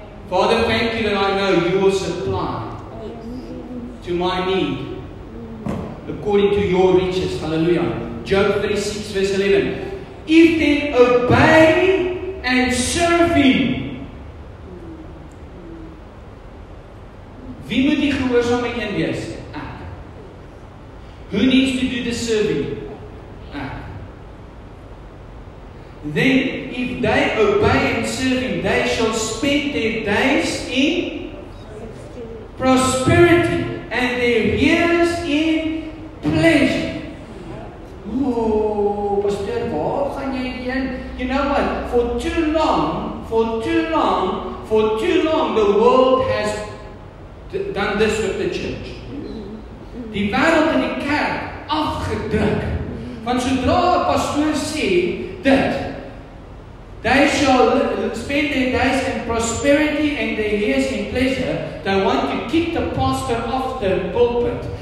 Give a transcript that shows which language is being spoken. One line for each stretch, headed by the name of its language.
English: Father, thank you that I know you will supply to my need according to your riches. Hallelujah. Job 36 verse 11. If they obey and serve him,
Afrikaans: wie moet die gehoorsame een wees? Ek.
English: Who needs to do the serving? Ek. Then, if they obey and serve him, they shall spend their days in prosperity and their years in pleasure.
Afrikaans: Oh, Pastor, waar gaan jy heen?
English: You know what? For too long, the world has done this with the church.
Afrikaans: Die wereld in die kerk afgedruk. Want zodra een pastoor sê dat
English: they shall spend their days in prosperity and their years in pleasure, they want to kick the pastor off the pulpit.